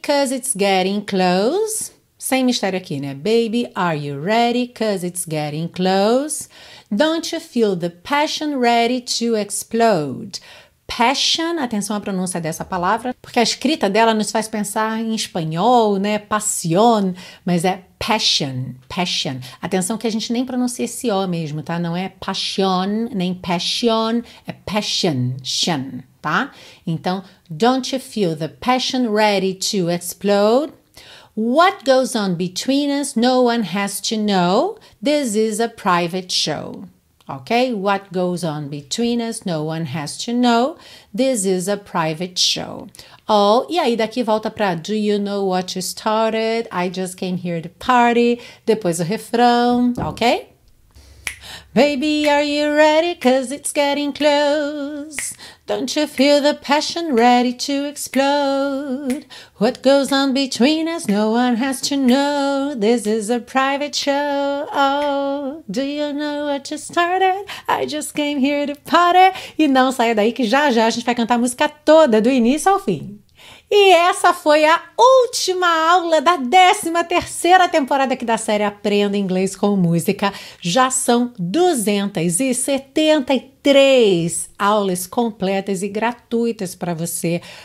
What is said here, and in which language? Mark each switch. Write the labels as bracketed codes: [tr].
[en] Cause it's getting close. [pt] Sem mistério aqui, né? [en] Baby, are you ready? Cause it's getting close. Don't you feel the passion ready to explode? [pt] Passion, atenção à pronúncia dessa palavra, porque a escrita dela nos faz pensar em espanhol, né? Passion, mas é passion, passion. Atenção que a gente nem pronuncia esse O mesmo, tá? Não é passion, nem passion, é passion, shen, tá? [en] Então, don't you feel the passion ready to explode? What goes on between us, no one has to know. This is a private show. Ok? What goes on between us, no one has to know. This is a private show. Oh, [pt] e aí daqui volta pra [en] do you know what you started? I just came here to party. [pt] Depois o refrão, ok? [en] Baby, are you ready? Cause it's getting close. Don't you feel the passion ready to explode? What goes on between us, no one has to know. This is a private show. Oh, do you know what you started? I just came here to party. [pt] E não saia daí que já já a gente vai cantar a música toda, do início ao fim. E essa foi a última aula da 13ª temporada aqui da série Aprenda Inglês com Música. Já são 273 aulas completas e gratuitas para você.